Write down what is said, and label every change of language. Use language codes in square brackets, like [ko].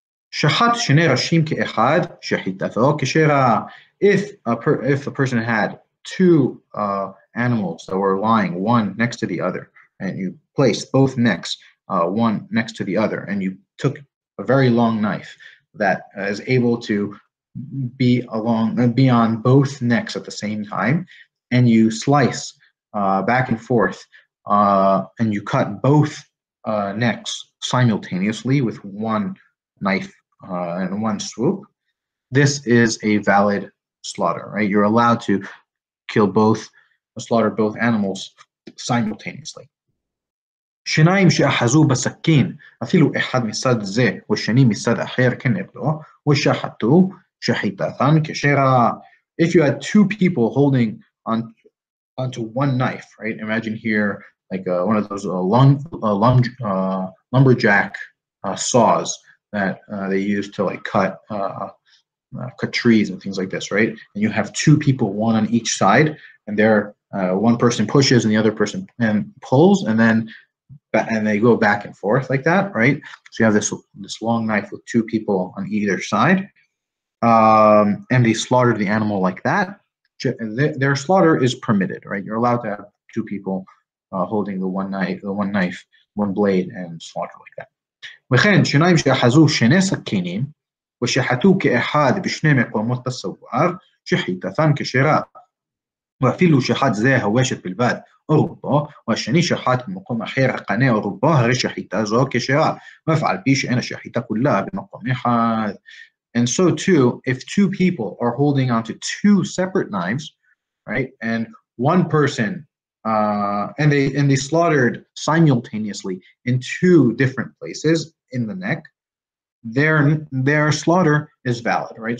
[he] שחט שני ראשים כאחד, שחיטתו כשרה. [en] If a person had two animals that were lying one next to the other, and you placed both necks one next to the other, and you took a very long knife that is able to be along be on both necks at the same time, and you slice back and forth, and you cut both necks simultaneously with one knife in one swoop, this is a valid slaughter, right? You're allowed to kill both, slaughter both animals simultaneously. [he] שניים שאחזו בסכין, אפילו אחד מסד זה ושני מסד אחר כנגדו, ושחטו שחיטתן כשרה. [en] If you had two people holding onto one knife, right? Imagine here, like one of those lumberjack saws that they use to like cut trees and things like this, right? And you have two people, one on each side, and they're one person pushes and the other person and pulls, and they go back and forth like that, right? So you have this long knife with two people on either side, and they slaughter the animal like that. Their slaughter is permitted, right? You're allowed to have two people holding the one knife, one blade, and slaughter like that. [he] וכן, שניים שאחזו שני סכינים ושחטו כאחד בשני מקומות בסוואר, שחיטתן כשרה. ואפילו שחט זה הוושת בלבד או רובו, והשני שחט במקום אחר הקנה או רובו, הרי שחיטה זו כשרה, ואף על פי שאין השחיטה כולה במקום אחד. [en] And so too, if two people are holding onto two separate knives, right, and one person and they slaughtered simultaneously in two different places in the neck, their slaughter is valid, right?